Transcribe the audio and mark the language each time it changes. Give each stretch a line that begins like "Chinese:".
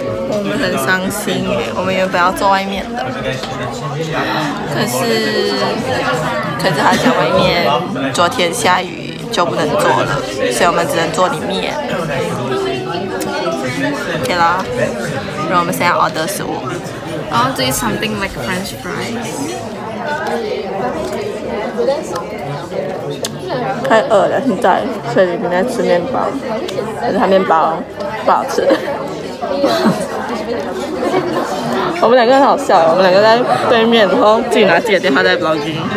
Chinese: 我们很伤心耶，我们原本要坐外面的，可是他讲外面昨天下雨就不能坐了，所以我们只能坐里面。 OK 啦，然后我们现在 order 食物。
English: I want to eat something like French fries.
Chinese: 太饿了，现在所以今天吃面包，但是它面包不好吃。我们两个很好笑，我们两个在对面，然后自己拿自己的电话在 vlogging。